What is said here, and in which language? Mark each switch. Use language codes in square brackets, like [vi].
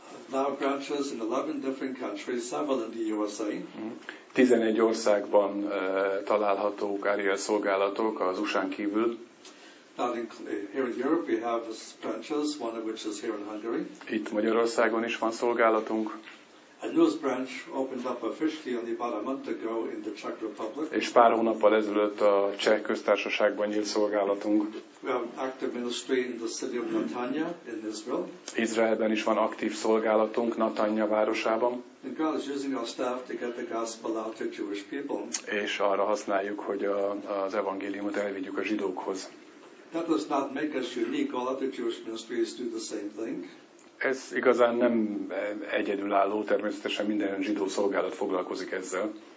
[en] Now branches in 11 different countries, several in the USA. [hu] 11 országban találhatók Ariel szolgálatok az USA-n kívül. [en] Here in Europe we have branches, one of which is here in Hungary. [hu] Itt Magyarországon is van szolgálatunk. [en] A new branch opened up officially only about a month ago in the Czech Republic. [hu] És pár hónappal ezelőtt a Cseh Köztársaságban nyílt szolgálatunk. [en] We have active ministry in the city of Netanya in Israel. [hu] Izraelben is van aktív szolgálatunk Netanya városában. [en] And God is using our staff to get the gospel out to Jewish people. [hu] És arra használjuk, hogy az evangéliumot elvigyük a zsidókhoz. [en] That does not make us unique. All other Jewish ministries do the same thing. [hu] Ez igazán nem egyedülálló, természetesen minden zsidó szolgálat foglalkozik ezzel.